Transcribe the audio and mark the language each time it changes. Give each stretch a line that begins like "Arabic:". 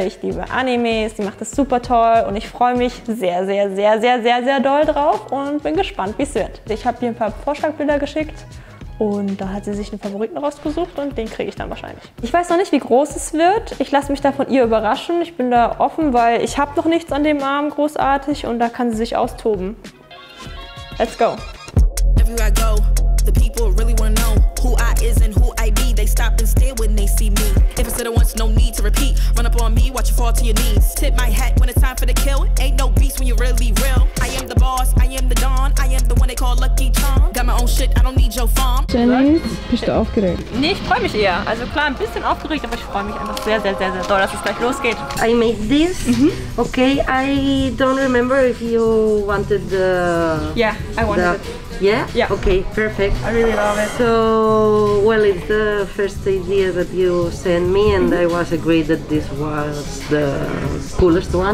German: Ich liebe Animes, sie macht es super toll und ich freue mich sehr doll drauf und bin gespannt, wie es wird. Ich habe ihr ein paar Vorschlagbilder geschickt. Und da hat sie sich einen Favoriten rausgesucht und den kriege ich dann wahrscheinlich. Ich weiß noch nicht, wie groß es wird. Ich lasse mich da von ihr überraschen. Ich bin da offen, weil ich habe noch nichts an dem Arm großartig und da kann sie sich austoben.
English: Let's go! Everywhere I go, the people really wanna know who I is and who I be. They stop and stare when they see me. If it's said it once, no need to repeat. Run up on me, watch you fall to your knees. Tip my hat when it's time for the kill. Ain't no beast when you're really real. I am the boss, I am the dawn. I am the one they call lucky charm. Got my own shit, I don't need your farm.
German: Janis, bist du aufgeregt? Nee, ich freue mich eher. Also klar, ein bisschen aufgeregt, aber ich freue mich einfach sehr doll, dass es gleich losgeht.
English: I made this. Okay, I don't remember if you wanted the... Yeah, I wanted it. Yeah? Yeah. Okay, perfect. I really love it. So, well, it's the first idea that you sent me and I was agreed that this was the coolest one,